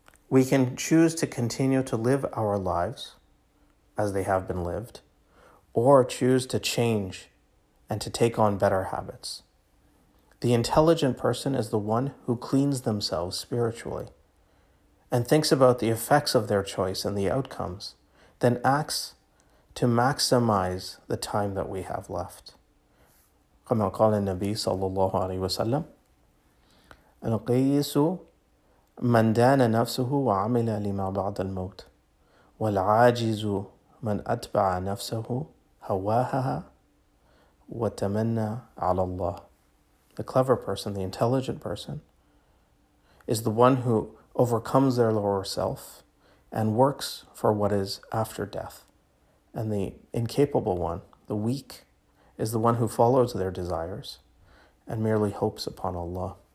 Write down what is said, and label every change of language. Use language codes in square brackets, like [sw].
[en] We can choose to continue to live our lives as they have been lived, or choose to change and to take on better habits. The intelligent person is the one who cleans themselves spiritually and thinks about the effects of their choice and the outcomes, then acts to maximize the time that we have left. [ar] كما قال النبي صلى الله عليه وسلم القيس من دان نفسه وعمل لما بعد الموت والعاجز من أتبع نفسه هواها وتمنى على الله. [en] The clever person, the intelligent person, is the one who overcomes their lower self and works for what is after death. And the incapable one, the weak, is the one who follows their desires and merely hopes upon Allah.